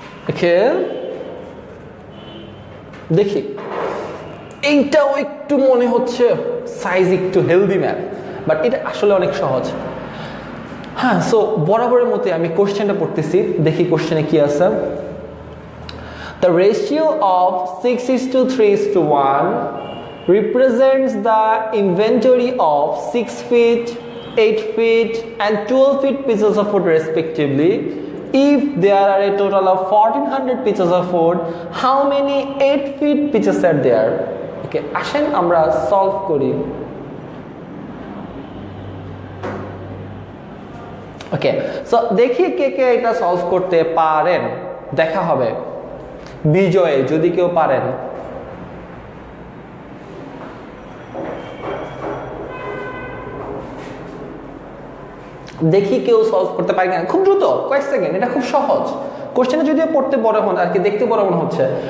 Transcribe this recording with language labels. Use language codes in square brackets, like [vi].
[bn] ওকে দেখি এইটাও একটু মনে হচ্ছে সাইজ একটু হেলদি ম্যাথ বাট এটা আসলে অনেক সহজ হ্যাঁ সো বরাবরের মতে আমি কোশ্চেনটা পড়তেছি দেখি কোশ্চেনে কি আছে [en] The ratio of 6:3:1 represents the inventory of 6 feet, 8 feet and 12 feet pieces of wood respectively. If there are a total of 1400 pieces of wood, how many 8 feet pieces are there? [bn] Okay, আসেন আমরা solve করি. Okay, so দেখি কে কে এটা solve করতে পারেন. দেখা হবে. বিজয়ে যদি কেউ পারেন দেখি কেউ সলভ করতে পারে কিনা খুব দ্রুত কয়েক সেকেন্ড এটা খুব সহজ কোশ্চেনে যদি পড়তে বড় হন আর কি দেখতে বড় মনে হচ্ছে